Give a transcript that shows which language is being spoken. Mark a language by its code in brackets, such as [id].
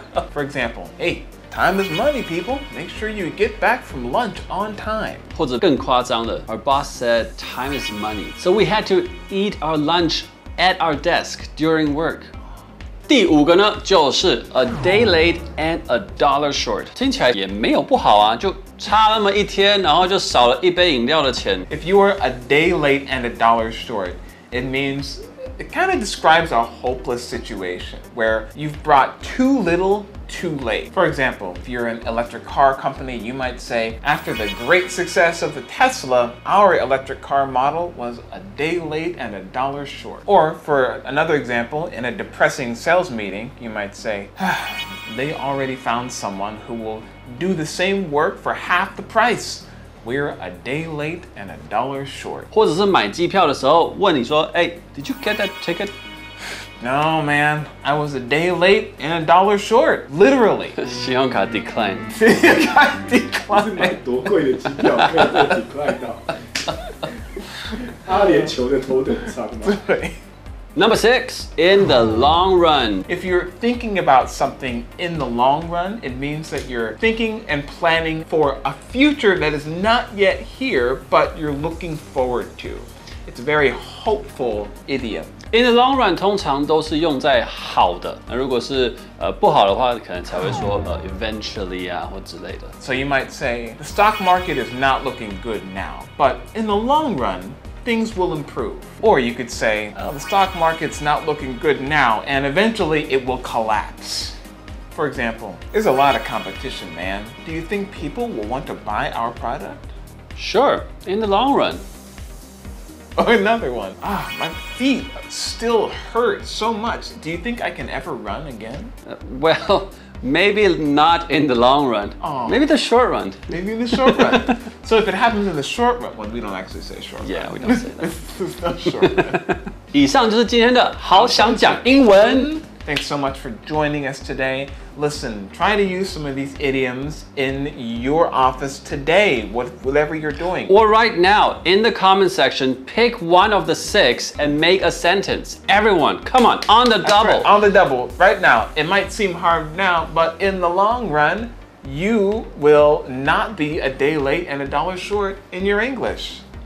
[en] For example, hey, time is money, people. Make sure you get back from lunch on time. [zh] 或者更夸张的 [en] our boss said time is money. So we had to eat our lunch at our desk during work. [zh] 第五个呢就是 [en] a day late and a dollar short [zh] 听起来也没有不好啊就差那么一天然后就少了一杯饮料的钱 [en] If you are a day late and a dollar short it means it kind of describes a hopeless situation where you've brought too little too late For example if you're an electric car company you might say after the great success of the Tesla our electric car model was a day late and a dollar short or for another example in a depressing sales meeting you might say they already found someone who will do the same work for half the priceWe're a day late and a dollar short. [zh] 或者是买机票的时候问你说 [en] Hey, did you get that ticket? No, man. I was a day late and a dollar short. Literally. [zh] 信用卡 decline. 信用卡 decline. 是买多贵的机票可以 decline 到。阿联酋的头等舱吗？对。 [en] Number six, in the long run. If you're thinking about something in the long run, it means that you're thinking and planning for a future that is not yet here, but you're looking forward to. It's a very hopeful idiom. In the long run, [zh] 通常都是用在好的。那如果是不好的话，可能才会说eventually 啊或之类的。 [en] So you might say, the stock market is not looking good now, but in the long run,Things will improve. Or you could say, the stock market's not looking good now, and eventually it will collapse. For example, there's a lot of competition, man. Do you think people will want to buy our product? Sure, in the long run. Oh, another one. Ah, my feet still hurt so much. Do you think I can ever run again? Well, maybe not in the long run. Oh. Maybe the short run. Maybe in the short run. So if it happens in the short run, well, we don't actually say short run. Yeah, we don't say that. It's not short run. [zh] 以上就是今天的好想讲英文。 [en] Thanks so much for joining us today. Listen, try to use some of these idioms in your office today, whatever you're doing. Or right now, in the comment section, pick one of the six and make a sentence. Everyone, come on the double. Right, on the double, right now. It might seem hard now, but in the long run, you will not be a day late and a dollar short in your English.